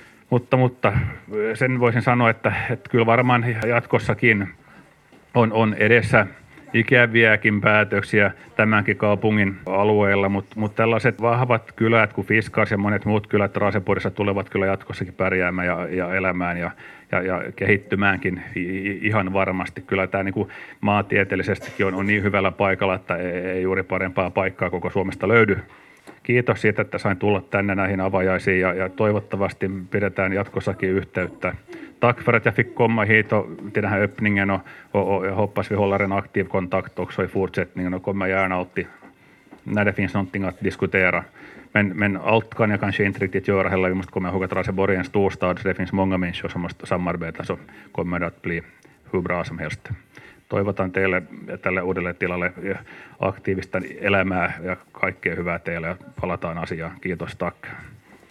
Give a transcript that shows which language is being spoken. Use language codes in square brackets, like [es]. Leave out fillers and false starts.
[fi] Mutta sen voisin sanoa, että kyllä varmaan jatkossakin on edessä ikävääkin päätöksiä tämänkin kaupungin alueella, mutta tällaiset vahvat kylät kuin Fiskars ja monet muut kylät Raaseporissa tulevat kyllä jatkossakin pärjäämään ja elämään ja kehittymäänkin ihan varmasti. Kyllä tämä niin kuin maantieteellisestikin on niin hyvällä paikalla, että ei juuri parempaa paikkaa koko Suomesta löydy. Kiitos siitä, että sain tulla tänne näihin avajaisiin ja toivottavasti pidetään jatkossakin yhteyttä. [sv] Tack för att jag fick komma hit till den här öppningen och jag hoppas vi håller en aktiv kontakt också i fortsättningen och kommer gärna alltid när det finns någonting att diskutera. Men allt kan jag kanske inte riktigt göra heller. Vi måste komma ihåg att Raseborg är en storstad, så det finns många människor som måste samarbeta så kommer det att bli hur bra som helst. [fi] Toivotan teille tälle uudelle tilalle aktiivista elämää ja kaikkea hyvää teille ja palataan asiaan. Kiitos, [sv] tack.